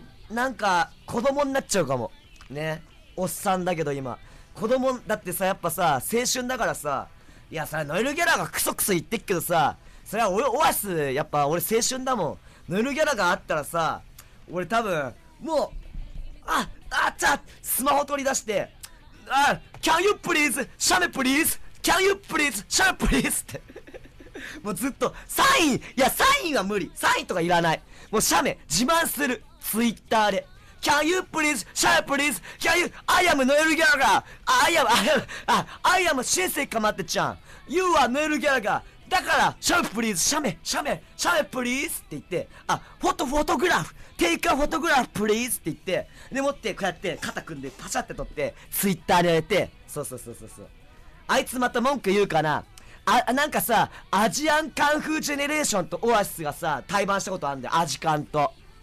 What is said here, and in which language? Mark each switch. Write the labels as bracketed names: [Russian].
[Japanese] なんか子供になっちゃうかもね、おっさんだけど今子供だってさ、やっぱさ青春だからさ、いやさノエルギャラがクソクソ言ってっけどさ、それは俺オアシスやっぱ俺青春だもん、ノエルギャラがあったらさ俺多分もうああちゃスマホ取り出して、あ Can you please シャメ please Can you please シャメ please ってもうずっとサイン、いやサインは無理、サインとかいらない、もうシャメ自慢するツイッターで、 Can you please? [English] Shall I please? Can you? I am Noel Gallagher! I am シンセイかまってちゃん、 You are Noel Gallagher! だから Shall I please? Shall I please? [Japanese] って言って、あ、フォトグラフ Take a photograph please! って言って、でもってこうやって肩組んでパシャって撮って Twitter に上げて、そうあいつまた文句言うかな、あ、なんかさアジアンカンフージェネレーションとオアシスがさ対バンしたことあるんだよ、アジカンと